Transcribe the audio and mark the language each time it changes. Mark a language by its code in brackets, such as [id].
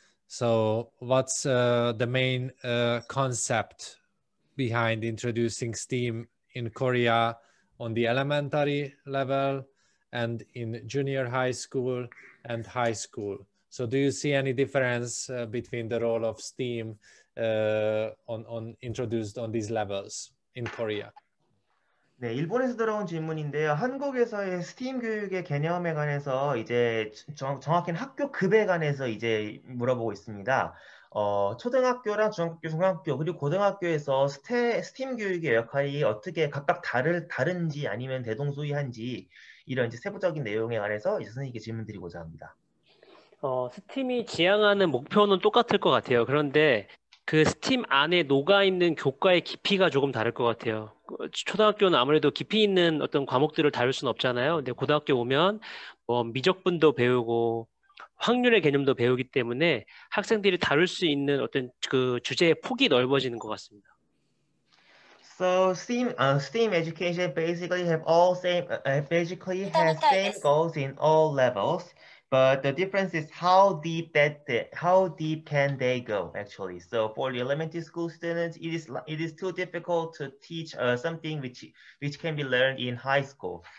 [en] So what's the main concept behind introducing STEAM in Korea on the elementary level and in junior high school and high school? So do you see any difference between the role of STEAM on introduced on these levels in Korea? [ko] 네, 일본에서 들어온 질문인데요. 한국에서의 STEAM 교육의 개념에 관해서 이제 정확히 학교급에 관해서 이제 물어보고 있습니다. 초등학교랑 중학교, 중학교 그리고 고등학교에서 STEAM 교육의 역할이 어떻게 각각 다른지 아니면 대동소이한지 이런 이제 세부적인 내용에 관해서 이제 선생님께 질문 드리고자 합니다. STEAM이 지향하는 목표는 똑같을 것 같아요. 그런데 그 STEAM 안에 녹아있는 교과의 깊이가 조금 다를 것 같아요. 초등학교는 아무래도 깊이 있는 어떤 과목들을 다룰 수는 없잖아요. 근데 고등학교 오면 뭐 미적분도 배우고 확률의 개념도 배우기 때문에 학생들이 다룰 수 있는 어떤 그 주제의 폭이 넓어지는 것 같습니다. [en] So STEAM education basically has same goals in all levels, but the difference is how deep can they go actually. So for the elementary school students, it is too difficult to teach something which can be learned in high school.